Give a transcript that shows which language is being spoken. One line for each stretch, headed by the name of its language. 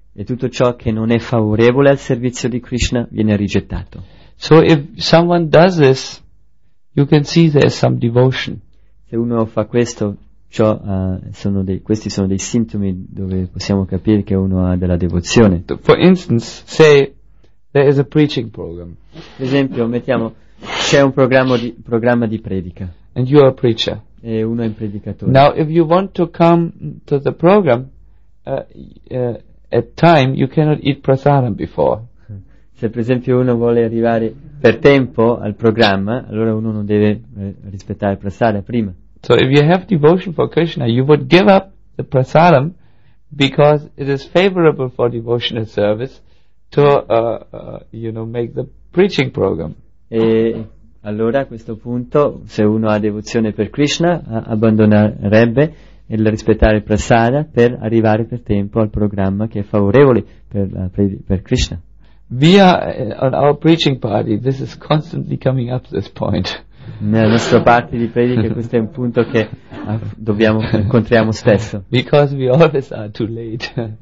Italian: E tutto ciò che non è favorevole al servizio di Krishna viene rigettato.
English: So if someone does this, you can see there is some devotion.
Italian: Se uno fa questo, questi sono dei sintomi dove possiamo capire che uno ha della devozione.
English: For instance, say there is a preaching program.
Italian: Per esempio, mettiamo c'è un programma di predica.
English: And you are a preacher.
Italian: E uno è un predicatore.
English: Now, if you want to come to the program, at time you cannot eat prasadam before.
Italian: Se per esempio uno vuole arrivare per tempo al programma, allora uno non deve rispettare il prasadam prima.
English: So if you have devotion for Krishna, you would give up the prasadam because it is favorable for devotional service to make the preaching program.
Italian: E allora a questo punto, se uno ha devozione per Krishna, abbandonerebbe e rispettare il prasada per arrivare per tempo al programma che è favorevole per Krishna.
English: Via on our preaching party, this is constantly coming up, this point.
Italian: Nella nostra parte di predica questo è un punto che incontriamo spesso.
English: Because we always are too late.